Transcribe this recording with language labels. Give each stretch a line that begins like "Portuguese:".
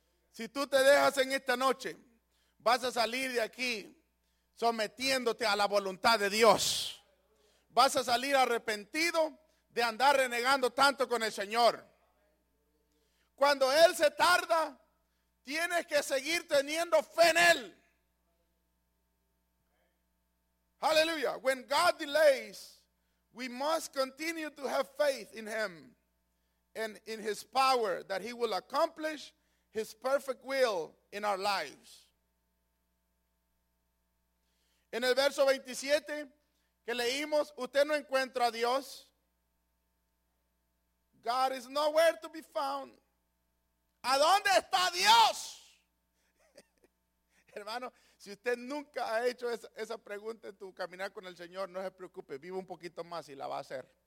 Spanish: Si tú te dejas en esta noche, vas a salir de aquí sometiéndote a la voluntad de Dios. Vas a salir arrepentido de andar renegando tanto con el Señor. Cuando Él se tarda, tienes que seguir teniendo fe en Él. Aleluya.
English: When God delays, we must continue to have faith in Him and in His power that He will accomplish His perfect will in our lives.
Spanish: En el verso 27 que leímos, usted no encuentra a Dios.
English: God is nowhere to be found.
Spanish: ¿A dónde está Dios? Hermano, si usted nunca ha hecho esa pregunta en tu caminar con el Señor, no se preocupe, vive un poquito más y la va a hacer.